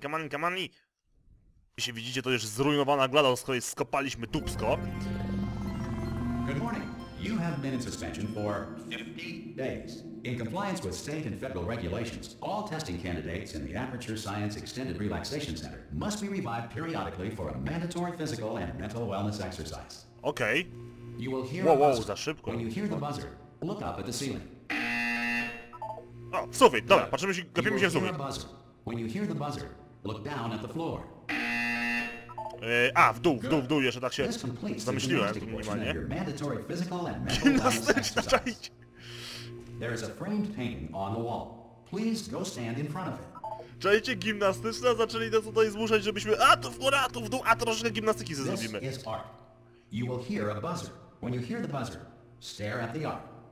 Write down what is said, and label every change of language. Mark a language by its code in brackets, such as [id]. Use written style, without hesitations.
[pl] Kamani. Jeśli widzicie, to już zrujnowana GLaDOS, z której skopaliśmy dupsko. [en] Good morning. You have been in suspension for 50 days. In compliance with state and federal regulations, all testing candidates in the Aperture Science Extended Relaxation Center must be revived periodically for a mandatory physical and mental wellness exercise. [pl] Okej. Wow, za szybko. [en] When you hear the buzzer, look up at the ceiling. [pl] O, sufit, dobra, patrzymy się, kapimy się w sufit. [en] When you hear the buzzer, look down at the floor. [pl] W dół, jeszcze tak się zamyśliłem, minimalnie. Gimnastyczna część. [en] There is a framed painting on the wall. Please go stand in front of it. [pl] Czajcie, gimnastyczna, zaczęli nas tutaj zmuszać, żebyśmy... A, tu w górę, a tu w dół, a troszeczkę gimnastyki ze zrobimy. [en] You will hear a buzzer. When you hear the buzzer, stare at the art.